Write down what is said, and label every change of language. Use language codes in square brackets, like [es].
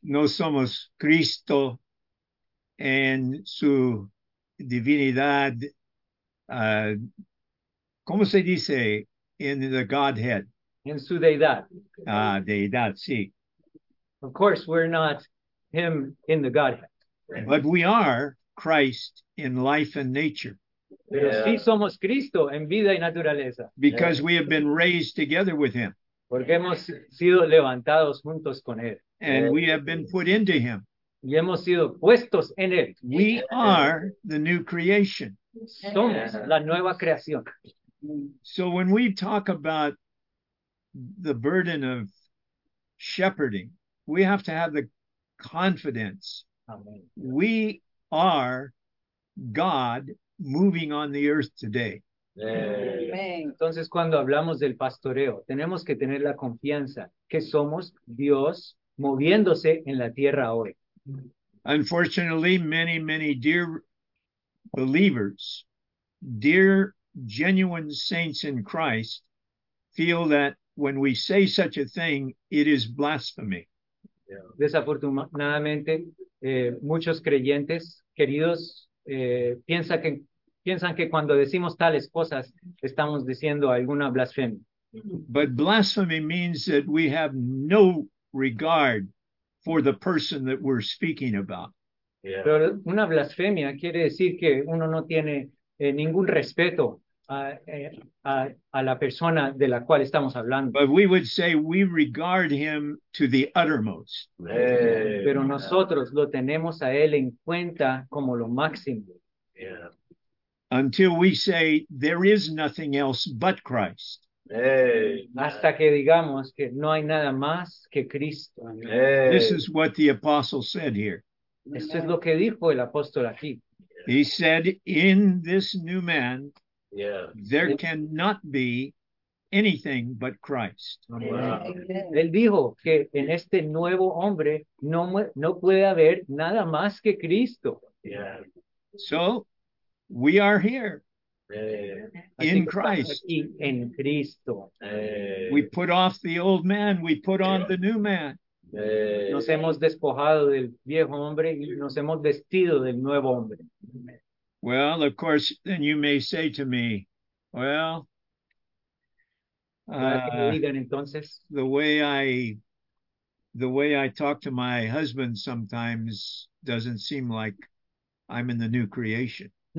[es] No somos Cristo en su divinidad, ¿cómo se dice [en] in the Godhead? [es] En su deidad. Ah, deidad, sí. [en] Of course, we're not him in the Godhead. But we are Christ in life and nature. [es] Pero sí somos Cristo en vida y naturaleza. [en] Because we have been raised together with him. [es] Porque hemos sido levantados juntos con él. [en] And we have been put into him. [es] Y hemos sido puestos en él. [en] We are the new creation. [es] Somos la nueva creación. [en] So when we talk about the burden of shepherding, we have to have the confidence. Amen. We are God moving on the earth today. Amen. [es] Entonces, cuando hablamos del pastoreo, tenemos que tener la confianza que somos Dios moviéndose en la tierra hoy. [en] Unfortunately, many, many dear believers, dear genuine saints in Christ, feel that when we say such a thing, it is blasphemy. [es] Desafortunadamente, muchos creyentes queridos piensan que cuando decimos tales cosas estamos diciendo alguna blasfemia. [en] But blasphemy means that we have no regard for the person that we're speaking about. Yeah. [es] Pero una blasfemia quiere decir que uno no tiene ningún respeto a la persona de la cual estamos hablando. [en] But we would say we regard him to the uttermost. [es] Pero nosotros lo tenemos a él en cuenta como lo máximo. [en] Yeah. Until we say there is nothing else but Christ. [es] Hasta que digamos que no hay nada más que Cristo. [en] This is what the apostle said here. [es] Esto es lo que dijo el apóstol aquí. [en] He said, in this new man, there cannot be anything but Christ. Wow. [es] Él dijo que en este nuevo hombre no puede haber nada más que Cristo. [en] Yeah. So, we are here. In Christ. [es] Aquí en Cristo. [en] We put off the old man, we put on the new man. [es] Nos hemos despojado del viejo hombre y nos hemos vestido del nuevo hombre. [en] Well, of course, then you may say to me, well, the way I talk to my husband sometimes doesn't seem like I'm in the new creation.